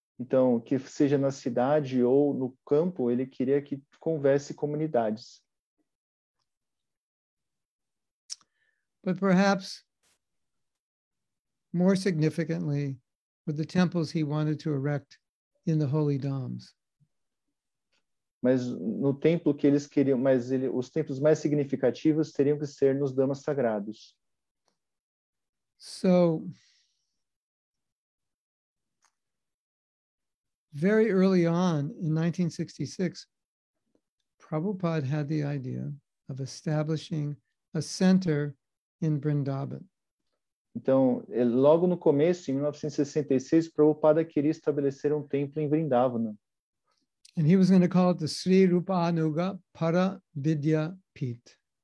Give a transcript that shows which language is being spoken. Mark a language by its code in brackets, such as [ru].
[pt] Então, que seja na cidade ou no campo, ele queria que houvesse comunidades. [en] But perhaps more significantly, with the temples he wanted to erect in the holy domes. [pt] Mas no templo que eles queriam, mas ele, os templos mais significativos teriam que ser nos damas sagrados. [en] So, very early on, in 1966, Prabhupada had the idea of establishing a center in Vrindavan. [pt] Então, logo no começo, em 1966, Prabhupada queria estabelecer um templo em Vrindavan. [en] And he was going to call it the Sri Rupa Anuga Para Vidya Pit.